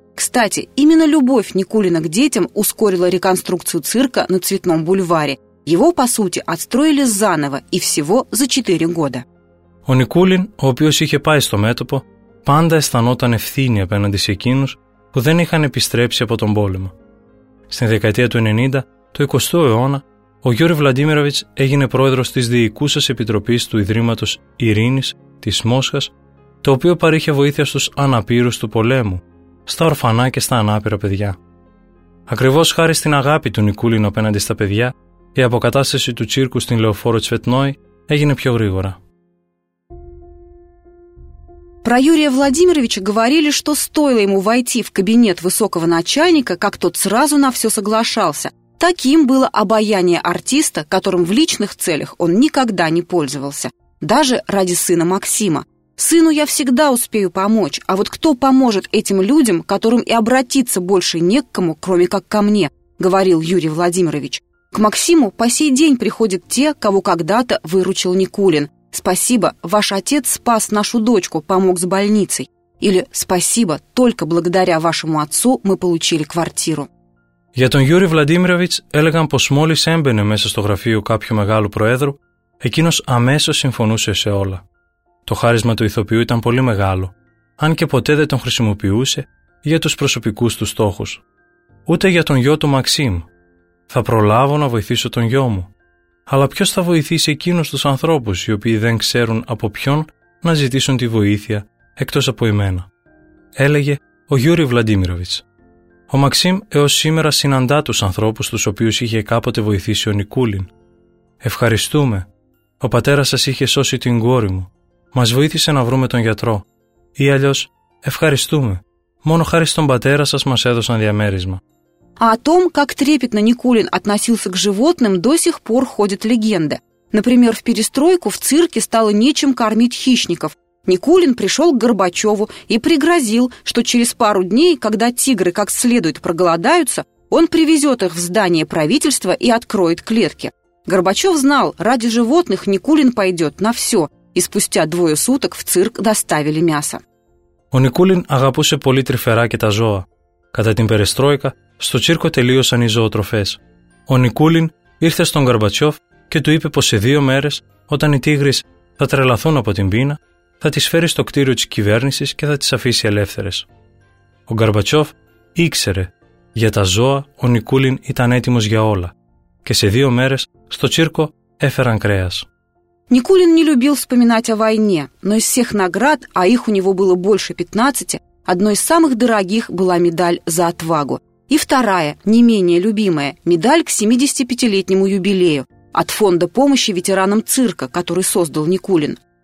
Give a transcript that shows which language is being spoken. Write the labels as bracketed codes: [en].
[ru] Кстати, именно любовь Никулина к детям ускорила реконструкцию цирка на Цветном бульваре. Его, по сути, отстроили заново и всего за 4 года. [el] Ο Νικούλιν, ο οποίος είχε πάει στο μέτωπο, πάντα αισθανόταν ευθύνη απέναντι σε εκείνους που δεν είχαν επιστρέψει από τον πόλεμο. Στην δεκαετία του 90, του 20ου αιώνα, ο Γιούρι Βλαντίμιροβιτς έγινε πρόεδρος της Διοικούσας Επιτροπής του Ιδρύματος Ειρήνης της Μόσχας, το οποίο παρήχε βοήθεια στους αναπήρους του πολέμου, στα ορφανά και στα ανάπηρα παιδιά. Ακριβώς χάρη στην αγάπη του Νικούλιν απέναντι στα παιδιά, η αποκατάσταση του τσίρκου στην Λεωφόρο Τσβετνόη έγινε πιο γρήγορα. [ru] Про Юрия Владимировича говорили, что стоило ему войти в кабинет высокого начальника, как тот сразу на все соглашался. Таким было обаяние артиста, которым в личных целях он никогда не пользовался. Даже ради сына Максима. «Сыну я всегда успею помочь, а вот кто поможет этим людям, которым и обратиться больше не к кому, кроме как ко мне», — говорил Юрий Владимирович. К Максиму по сей день приходят те, кого когда-то выручил Никулин. «Спасибо, ваш отец спас нашу дочку, помог с больницей». Или «Спасибо, только благодаря вашему отцу мы получили квартиру». [el] Για τον Γιώρη Βλαντίμιροβιτς έλεγαν πως μόλις έμπαινε μέσα στο γραφείο κάποιου μεγάλου προέδρου, εκείνος αμέσως συμφωνούσε σε όλα. Το χάρισμα του ηθοποιού ήταν πολύ μεγάλο, αν και ποτέ δεν τον χρησιμοποιούσε για τους προσωπικούς του στόχους. Ούτε για τον γιο του Μαξίμ. «Θα προλάβω να βοηθήσω τον γιο μου. Αλλά ποιος θα βοηθήσει εκείνους τους ανθρώπους οι οποίοι δεν ξέρουν από ποιον να ζητήσουν τη βοήθεια εκτός από εμένα», έλεγε ο Γιώρη Βλαντίμιροβιτς. Ο Μαξίμ έως σήμερα συναντά τους ανθρώπους τους οποίους είχε κάποτε βοηθήσει ο Νικούλιν. «Ευχαριστούμε. Ο πατέρας σας είχε σώσει την κόρη μου. Μας βοήθησε να βρούμε τον γιατρό. Ή αλλιώς, ευχαριστούμε. Μόνο χάρη στον πατέρα σας μας έδωσαν διαμέρισμα». [ru] А о том, как трепетно Никулин относился к животным, до сих пор ходят легенды. Например, в перестройку в цирке стало нечем кормить хищников. Никулин пришел к Горбачеву и пригрозил, что через пару дней, когда тигры как следует проголодаются, он привезет их в здание правительства и откроет клетки. Горбачев знал, ради животных Никулин пойдет на все, и спустя двое суток в цирк доставили мясо. [el] У Никулин агапусе поли трифера и та зоа. Κατά την περιστρόικα, στο τσίρκο τελείωσαν οι ζωοτροφές. Ο Νικούλιν ήρθε στον Γκορμπατσιόφ και του είπε πως σε δύο μέρες, όταν οι τίγρες θα τρελαθούν από την πείνα, θα τις φέρει στο κτίριο της κυβέρνησης και θα τις αφήσει ελεύθερες. Ο Γκορμπατσιόφ ήξερε. Για τα ζώα, ο Νικούλιν ήταν έτοιμος για όλα. Και σε δύο μέρες, στο τσίρκο έφεραν κρέας. [ru] Νικούλιν не любил вспоминать о войне, но из всех наград, а их у него было больше 15, одной из самых дорогих была медаль «За отвагу». И вторая, не менее любимая, медаль к 75-летнему юбилею от фонда помощи ветеранам цирка, который создал Никулин.